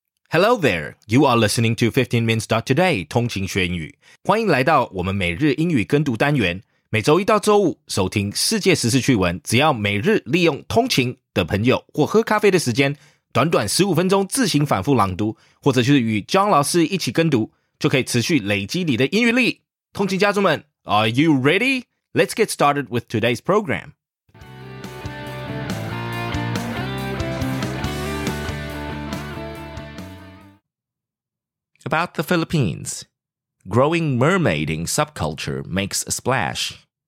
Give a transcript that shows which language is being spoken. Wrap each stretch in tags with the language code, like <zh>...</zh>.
<en>Hello there, you are listening to 15minutes.today,</en> <zh>通勤学英语。欢迎来到我们每日英语跟读单元，每周一到周五收听世界时事趣闻，只要每日利用通勤的朋友或喝咖啡的时间，短短15分钟自行反复朗读，或者就是与 John 老师一起跟读，就可以持续累积你的英语力。通勤家族们，</zh> <en>Are you ready? Let's get started with today's program. About the Philippines, growing mermaiding subculture makes a splash.</en>